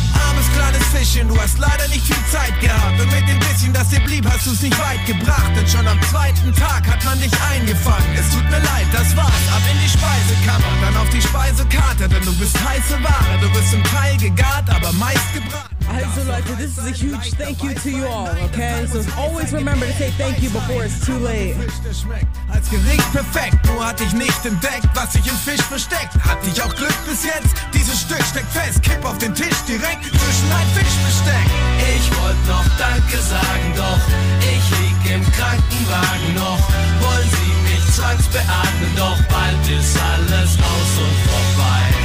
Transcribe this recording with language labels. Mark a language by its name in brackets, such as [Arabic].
[German] Armes kleines Fischchen, du hast leider nicht viel Zeit gehabt. Und mit dem bisschen, das dir blieb, hast du's nicht weit gebracht. Denn schon am zweiten Tag hat man dich eingefangen. Es tut mir leid, das war's. Ab in die Speisekammer, dann auf die Speisekarte. Denn du bist heiße Ware, du bist im Teil gegart, aber meist gebracht. Also Leute, [English] this is a huge thank you to you all, okay? So always remember to say thank you before it's too late. [German] Als Gericht perfekt, nur hatte ich nicht entdeckt, was sich im Fisch versteckt. Hatte ich auch Glück bis jetzt, dieses Stück steckt fest. Kipp auf den Tisch direkt, zwischen ein Fischbesteck. Ich wollte noch Danke sagen, doch ich lieg im Krankenwagen noch. Wollen Sie mich zwangsbeatmen, doch bald ist alles aus und vorbei.